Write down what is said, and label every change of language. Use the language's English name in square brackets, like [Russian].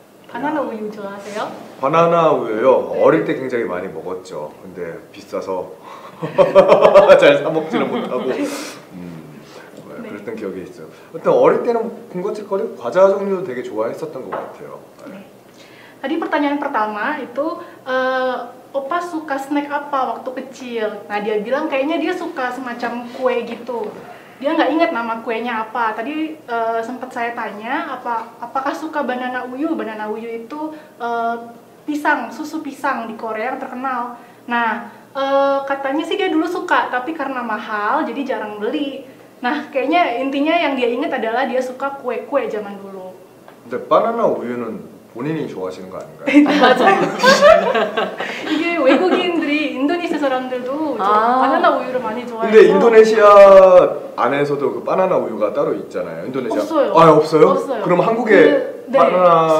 [Korean] 바나나 우유 좋아하세요? 바나나 우유요? 네. 어릴 때 굉장히 많이 먹었죠. 근데 비싸서 잘 사먹지는 못하고 그랬던 네. 기억이 있어요. 일단 어릴 때는 군것질거리 과자 종류도 되게 좋아했었던 것 같아요. 네. 네. [Indonesian] pertanyaan pertama itu opa suka snack apa waktu kecil? Nah dia bilang kayaknya dia suka semacam kue gitu. Dia nggak ingat nama kuenya apa. Tadi sempat saya tanya apakah suka banana uyu? Banana uyu itu pisang, susu pisang di Korea yang terkenal. Nah katanya sih dia dulu suka, tapi karena mahal jadi jarang beli. Nah, kayaknya intinya yang dia ingat adalah dia suka kue-kue zaman dulu. [Korean] 근데 바나나 우유는 본인이 좋아하시는 거 아닌가요? 맞아요. 이게 외국인들이, 인도네시아 사람들도 바나나 우유를 많이 좋아해요. 근데 인도네시아 안에서도 그 바나나 우유가 따로 있잖아요. 인도네시아. 없어요. 아, 없어요? 없어요. 그럼 한국에 그, 바나나